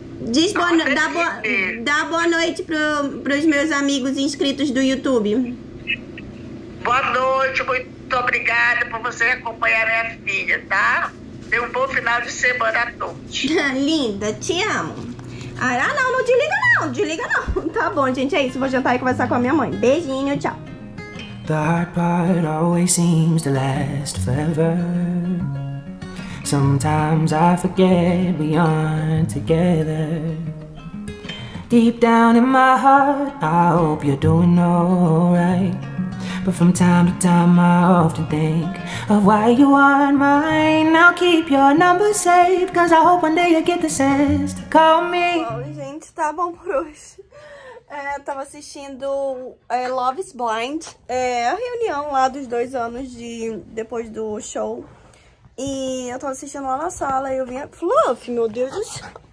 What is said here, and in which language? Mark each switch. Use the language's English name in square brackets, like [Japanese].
[Portuguese] Diz boa, dá boa noite pros meus amigos inscritos do YouTube. Boa noite, muito obrigada por você acompanhar minha filha, tá? Tenha um bom final de semana a todos. Linda, te amo. Ah, não, não desliga não, não desliga não. Tá bom, gente, é isso. Vou jantar e conversar com a minha mãe. Beijinho, tchau. [English] The hard part always seems to last forever. Sometimes I forget we aren't together. Deep down in my heart, I hope you're doing alright. But from time to time I often think of why you aren't mine. Now keep your number safe, cause I hope one day you get the sense to call me. [Portuguese] Bom, gente, tá bom por hoje. Tava assistindo Love is Blind, a reunião lá dos 2 anos de depois do show. E eu tava assistindo lá na sala e eu vim... Fluff, meu Deus do céu.